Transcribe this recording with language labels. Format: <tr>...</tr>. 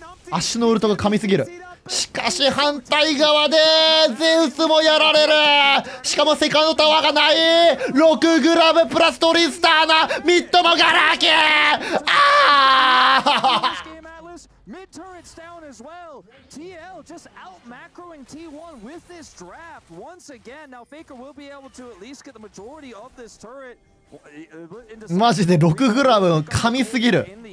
<ja>足のウルトが噛みすぎる。しかし反対側でゼウスもやられる。しかもセカンドタワーがない。6グラブプラストリスターな、ミッドもガラーキー。ああ</ja> <en>Mid turret's down as well. TL just out macroing T1 with this draft once again. Now Faker will be able to at least get the majority of this turret.</en> <ja>マジで6グラブ噛みすぎる。</ja>